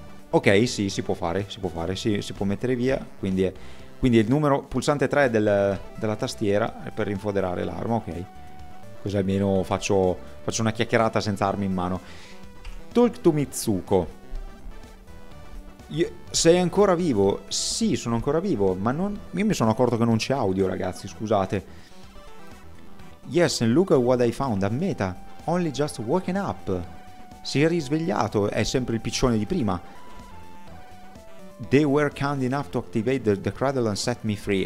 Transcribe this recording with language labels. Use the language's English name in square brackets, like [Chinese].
[Italian] Ok, sì, si può fare, si può fare, sì, si può mettere via, quindi il numero pulsante 3 della tastiera è per rinfoderare l'arma, ok. Così almeno faccio una chiacchierata senza armi in mano. [English] Talk to Mitsuko. [Italian] Sei ancora vivo? Sì, sono ancora vivo, ma non. Io mi sono accorto che non c'è audio, ragazzi, scusate. [English] Yes, and look at what I found, a meta, only just woken up. [Italian] Si è risvegliato, è sempre il piccione di prima. [English] They were kind enough to activate the cradle and set me free.